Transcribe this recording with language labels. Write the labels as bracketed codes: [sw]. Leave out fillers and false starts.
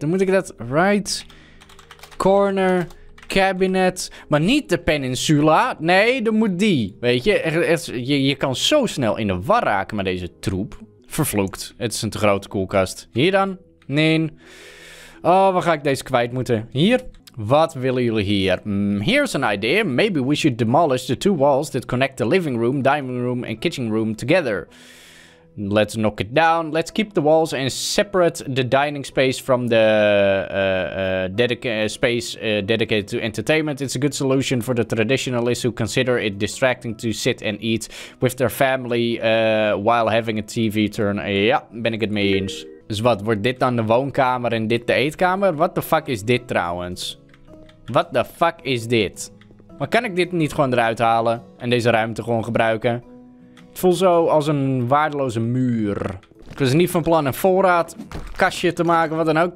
[nl] Dan moet ik dat right corner cabinet, maar niet de peninsula. Nee, dan moet die. Weet je, je kan zo snel in de war raken met deze troep. Vervloekt. Het is een te grote koelkast. Hier dan? Nee. Oh, waar ga ik deze kwijt moeten? Hier? Wat willen jullie hier? [en] Here's an idea. Maybe we should demolish the two walls that connect the living room, dining room and kitchen room together. Let's knock it down. Let's keep the walls and separate the dining space from the dedicated to entertainment. It's a good solution for the traditionalists who consider it distracting to sit and eat with their family while having a TV turn. [nl] Ja, ben ik het mee eens. Dus wat, wordt dit dan de woonkamer en dit de eetkamer? [en] What the fuck [nl] is dit trouwens? [en] What the fuck [nl] is dit? Maar kan ik dit niet gewoon eruit halen en deze ruimte gewoon gebruiken? Het voelt zo als een waardeloze muur. Ik was niet van plan een voorraadkastje te maken, wat dan ook.